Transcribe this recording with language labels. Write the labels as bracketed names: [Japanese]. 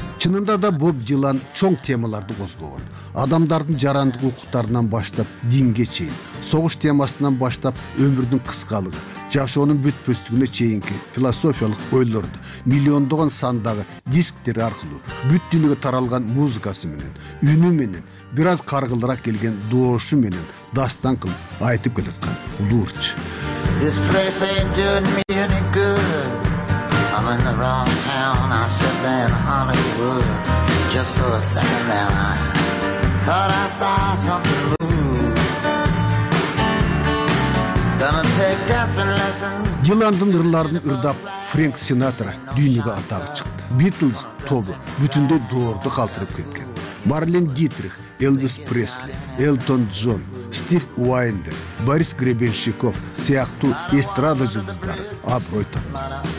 [Kyrgyz] Чынында да Боб Дилан чоң темаларды козгогон. Адамдардын жарандык укуктарынан баштап динге чейин, согуш темасынан баштап өмүрдүн кыскалыгы, жашоонун бүтпөстүгүнө чейинки философиялык ойлорду миллиондогон сандагы дисктери аркылуу бүт дүйнөгө таралган музыкасы менен, үнү менен, бир аз каргылыраак келген доошу менен дастан кылып айтып келаткан улуу ырчы. [English] I'm in the wrong town, I should be in Hollywood. Just for a second there I thought I saw something move. Gonna take dancing lessons. [Kyrgyz] Диландын ырларын ырдап Фрэнк Синатра дүйнөгө атагы чыкты. Битлз тобу бүтүндөй доорду калтырып кеткен. Марлен Дитрих, Элвис Пресли, Элтон Джон, Стив Уайндер, Борис Гребенщиков сыяктуу эстрада жылдыздары аброй тапкан.